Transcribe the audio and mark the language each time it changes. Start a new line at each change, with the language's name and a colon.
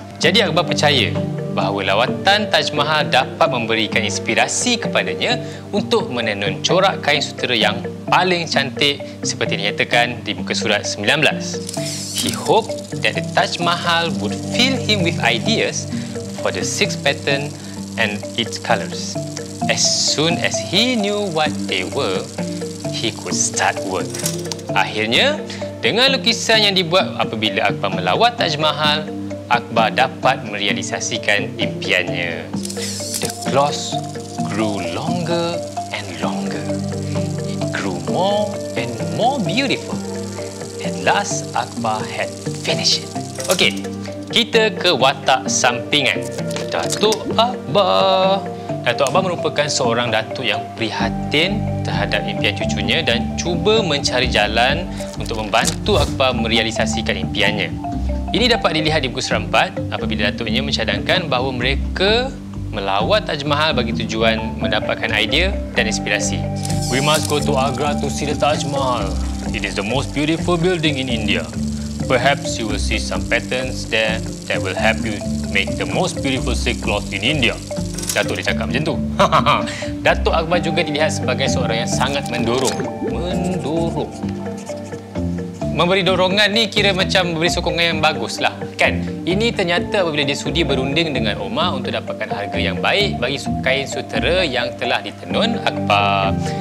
Malay: Jadi Akbar percaya bahawa lawatan Taj Mahal dapat memberikan inspirasi kepadanya untuk menenun corak kain sutera yang paling cantik seperti dinyatakan di muka surat 19.
English: He hoped that the Taj Mahal would fill him with ideas for the six pattern and its colors. As soon as he knew what they were, he could start work.
Malay: Akhirnya, dengan lukisan yang dibuat apabila Akbar melawat Taj Mahal, Akbar dapat merealisasikan impiannya.
English: The cloth grew longer and longer. It grew more and more beautiful. At last, Akbar had finished it.
Malay: Okay, kita ke watak sampingan. Datuk Akbar. Datuk Akbar merupakan seorang datuk yang prihatin terhadap impian cucunya dan cuba mencari jalan untuk membantu Akbar merealisasikan impiannya. Ini dapat dilihat di buku serampat apabila datuknya mencadangkan bahawa mereka melawat Taj Mahal bagi tujuan mendapatkan idea dan inspirasi.
English: We must go to Agra to see the Taj Mahal. It is the most beautiful building in India. Perhaps you will see some patterns there that will help you make the most beautiful silk cloth in India.
Malay: Datuk dia cakap macam tu. Datuk Akbar juga dilihat sebagai seorang yang sangat mendorong. Mendorong. Memberi dorongan ni kira macam memberi sokongan yang baguslah, kan? Ini ternyata apabila dia sudi berunding dengan Omar untuk dapatkan harga yang baik bagi kain sutera yang telah ditenun Akbar.